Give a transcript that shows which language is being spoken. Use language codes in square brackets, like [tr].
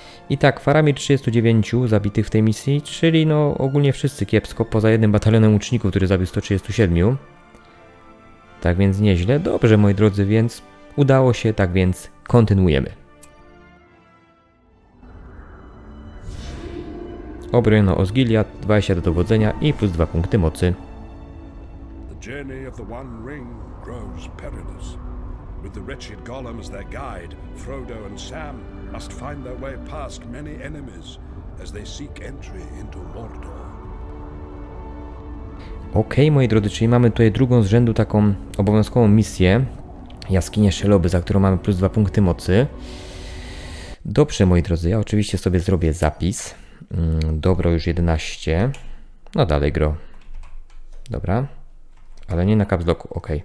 [pl] I tak, Faramir 39 zabitych w tej misji, czyli no ogólnie wszyscy kiepsko, poza jednym batalionem łuczników, który zabił 137. Tak więc nieźle. Dobrze, moi drodzy, więc udało się, tak więc kontynuujemy. Obrojono Osgiliad, 20 do dowodzenia i plus 2 punkty mocy. [en] The journey of the One Ring grows perilous. With the wretched Gollum as their guide, Frodo and Sam must find their way past many enemies as they seek entry into Mordor. [pl] Okej, moi drodzy, czyli mamy tutaj drugą z rzędu taką obowiązkową misję. Jaskinie Szeloby, za którą mamy plus 2 punkty mocy. Dobrze, moi drodzy, ja oczywiście sobie zrobię zapis. Dobro już 11. No dalej gro. Dobra. Ale nie na caps locku. Ok.